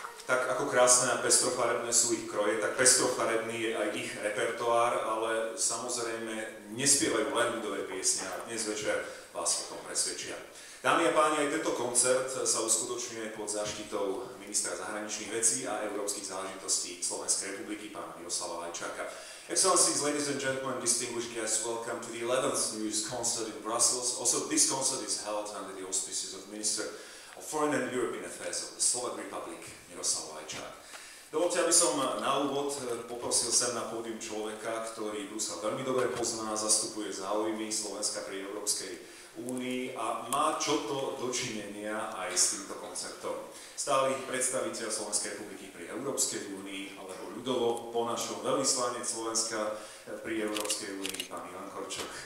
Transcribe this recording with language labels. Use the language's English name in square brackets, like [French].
[Slovak] Tak ako krásne a pestrofarebné sú ich kroje, tak pestrofarebný je aj ich repertoár, ale samozrejme nespievajú len ľudové piesne a dnes večer vás o tom presvedčia. Dámy a páni, aj tento koncert sa uskutočňuje pod záštitou ministra zahraničných vecí a európskych záležitostí Slovenskej republiky, pána Miroslava Lajčáka. [English] Excellencies, ladies and gentlemen, distinguished guests, welcome to the 11th New Year's Concert in Brussels. Also, this concert is held under the auspices of Minister of Foreign and European Affairs of the Slovak Republic, Miroslav Lajčák. [Slovak] Dovolte, aby som na úvod poprosil sem na pódium človeka, ktorý Brusel veľmi dobre pozná, zastupuje záujmy Slovenska pri Európskej únii a má čo to dočinenia aj s týmto konceptom. Stály predstaviteľ Slovenskej republiky pri Európskej únii, alebo ľudovo po našom veľvyslanec Slovenska pri Európskej únii, pán Ivan Korčok.